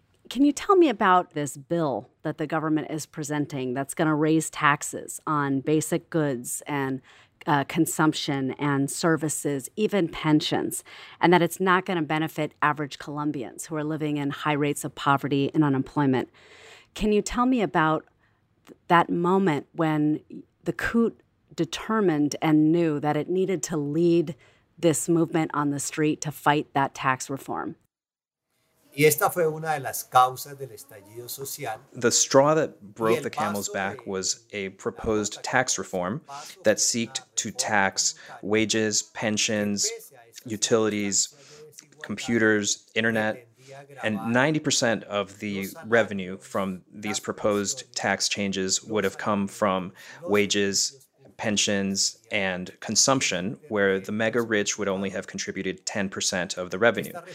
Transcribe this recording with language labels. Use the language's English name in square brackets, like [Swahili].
[English] Can you tell me about this bill that the government is presenting that's going to raise taxes on basic goods and consumption and services, even pensions, and that it's not going to benefit average Colombians who are living in high rates of poverty and unemployment? Can you tell me about that moment when the CUT determined and knew that it needed to lead this movement on the street to fight that tax reform? [Spanish] Y esta fue una de las causas del estallido social. [English] The straw that broke the camel's back was a proposed tax reform that seeked to tax wages, pensions, utilities, computers, internet, and 90% of the revenue from these proposed tax changes would have come from wages, pensions, and consumption, where the mega-rich would only have contributed 10% of the revenue.